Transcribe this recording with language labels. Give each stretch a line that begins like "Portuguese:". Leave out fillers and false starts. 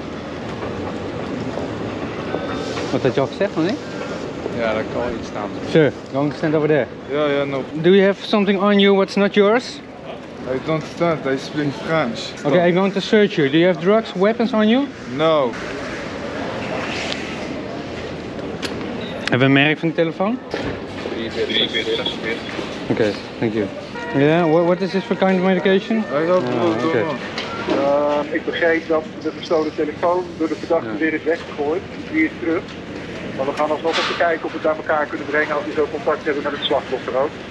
Dutch: Ja, iets samen. Wat had je al gezegd, meneer? Ja, dat kan iets staan.
English: Sir, go and stand over there.
Dutch: Ja, ja, no.
English: Do you have something on you what's not yours? I don't stand, I speak French. Stop. Okay, I'm going to search you. Do you have drugs, weapons on you? No.
Dutch: Heb je een merk van de telefoon? 3-4-6-4.
English: Okay, thank you. Yeah, what is this for kind of medication? I don't know. Okay.
Dutch: Ik begreep dat de gestolen telefoon door de verdachte weer is weggegooid. Die is terug. Maar we gaan alsnog even kijken of we het aan elkaar kunnen brengen als we zo contact hebben met het slachtoffer ook.